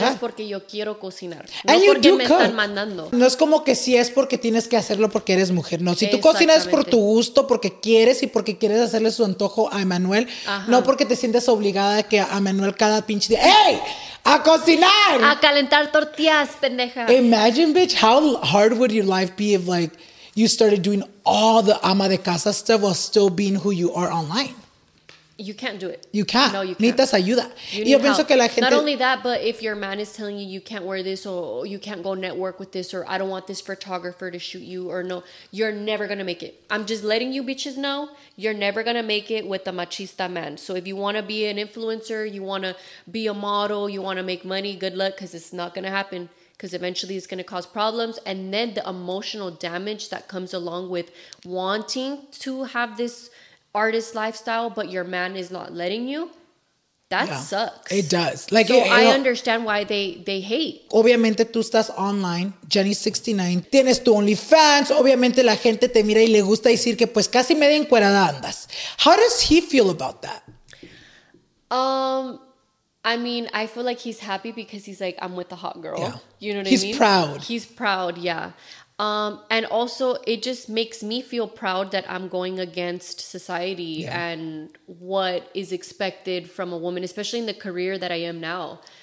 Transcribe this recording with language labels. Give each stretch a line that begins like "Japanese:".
Spanish: Si yo voy a cocinar es porque yo quiero cocinar. And no porque me están mandando. No es como que sí es porque tienes que hacerlo porque eres mujer, no. Si tú cocinas es por tu gusto, porque quieres y porque quieres hacerle su antojo a Emmanuel, no porque te sientes obligada que a Emmanuel cada pinche día, ¡hey! ¡A cocinar! A calentar tortillas, pendeja.
English: Imagine, bitch, how hard would your life be if, like, you started doing all the
Spanish: ama de casa
English: stuff while still being who you are online? You can't do it. You can't. No, you can't.
Spanish: Necesitas ayuda.
English: You need help. Not only that, but if your man is telling you you can't wear this or you can't go network with this or I don't want this photographer to shoot you or no, you're never going to make it. I'm just letting you bitches know you're never going to make it with a machista man. So if you want to be an influencer, you want to be a model, you want to make money, good luck because it's not going to happen. Because eventually it's going to cause problems. And then the emotional damage that comes along with wanting to have this artist lifestyle, but your man is not letting you. That sucks. It does. Like, so it, I understand why they hate.
Spanish: Obviamente tú estás online, Jenny69. Tienes tu OnlyFans. Obviamente la gente te mira y le gusta decir que pues casi media encuerada andas.
English: How does he feel about that? I mean, I feel like he's happy because he's like, I'm with a hot girl. Yeah. You know what he's I mean? He's proud. He's proud, yeah. And also, it just makes me feel proud that I'm going against society and what is expected from a woman, especially in the career that I am now.